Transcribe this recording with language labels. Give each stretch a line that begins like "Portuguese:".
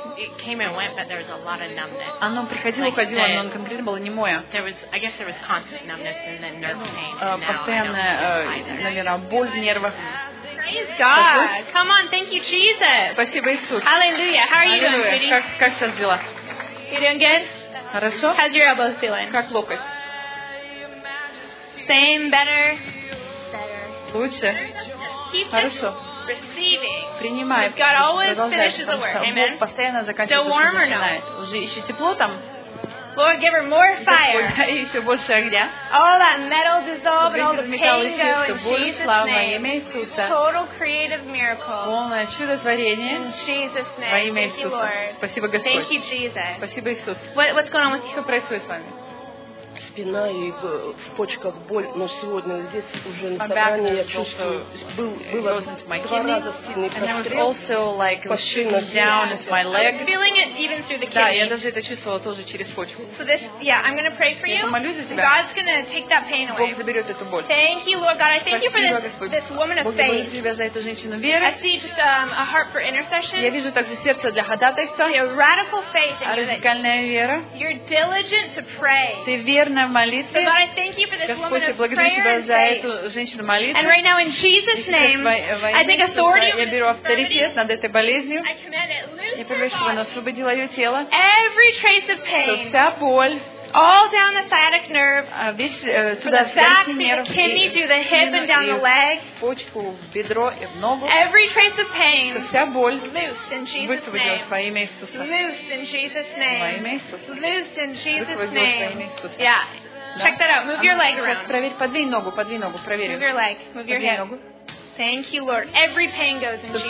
English: It came and went, but there was a lot of numbness.
Russian: Оно приходило, уходило, но оно конкретно было немое.
English: There was, I guess, there was constant numbness and then nerve pain.
Russian: Постоянная, наверное, боль в нервах.
English: Praise God! Come on, thank you, Jesus.
Russian: Спасибо, Иисус.
English: Hallelujah. How are you doing, sweetie?
Russian: Как сейчас дела?
English: You doing good?
Russian: Хорошо.
English: How's your elbow feeling?
Russian: Как локоть?
English: Same, better.
Russian: Лучше. Хорошо. Принимай. Продолжай. Бог постоянно заканчивает. Уже еще тепло там.
English: Lord, give her more fire.
Russian: И еще больше огня.
English: All that metal dissolve and all the pain go in Jesus' name. Total creative miracle.
Russian: Полное чудо творение.
English: In Jesus' name.
Russian: Во имя Иисуса. Спасибо, Господь.
English: Thank you, Jesus.
Russian: Спасибо, Иисус.
English: What's going on with you?
Russian: Что происходит с вами? Спина и в почках боль, но сегодня здесь уже на собрании я чувствую, было два раза сильный прострел по шинам. Да, я даже это чувствовала тоже через почку. Я помолюсь за тебя.
English: God's gonna take that pain away.
Russian: Бог заберет эту боль.
English: Thank you, Lord God. I thank you for this woman of faith.
Russian: Благодарю тебя за эту женщину веры.
English: I see just a heart for intercession.
Russian: Я вижу также сердце для ходатайства.
English: A radical faith in you.
Russian: Радикальная вера.
English: You're diligent to pray.
Russian: Ты верна.
English: God, I thank you for this woman of prayer and faith. And right now, in Jesus' name, I take authority over this disease. I command it loose her body. Every trace of pain. All down the sciatic nerve.
Russian: Туда
English: the back, the kidney, through the hip and down the leg.
Russian: Почку, в бедро и в ногу.
English: Every trace of pain.
Russian: Вся боль.
English: Loose in Jesus' name.
Russian: Высвободилась во имя Иисуса.
English: Loose in Jesus' name.
Russian: Во имя Иисуса.
English: Loose in Jesus' name. Yeah. Да? Check that out. Move your leg around.
Russian: Проверь, подвинь ногу, подвинь ногу, проверь.
English: Move your leg. Move your hip.
Russian: Ногу.
English: Thank you, Lord. Every pain goes in Jesus' name.